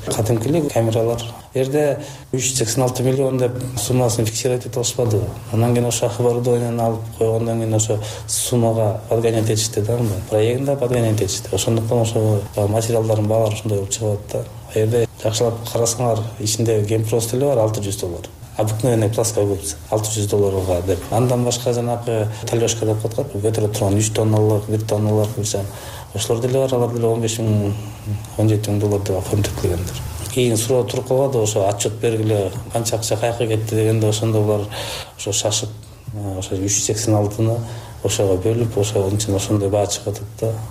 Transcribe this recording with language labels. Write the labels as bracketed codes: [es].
[ky] Кадимки эле камералар жерде 386 миллион деп суммасын фиксировать эте алышпадыбы? Анан кийин ошо оборудованияны алып койгондон кийин ошо суммага подгонять этишти да, проектинде подгонять этишти. Ошондуктан ошо материалдардын баалары ушундай болуп чыгып атат да. А жерде жакшылап карасаңар ичинде гемпрос деле бар 600 доллар. [ru] Обыкновенный пласка купится 600 долларов деп. [ky] Андан башка жанагы талёшка деп коет, көтөрө турган 3 тонналык, 1 тонналык болсо, ошолор деле бар, алар деле 15 000–17 000 доллар деп оформлеп келгендер. Кийин суроо туруп калат, ошо отчет бергиле канча акча кайка кетти дегенде, ошондо булар ошо шашып, ошо 386-ны ошого бөлүп, ошонун үчүн ошондой баа чыгып атат да.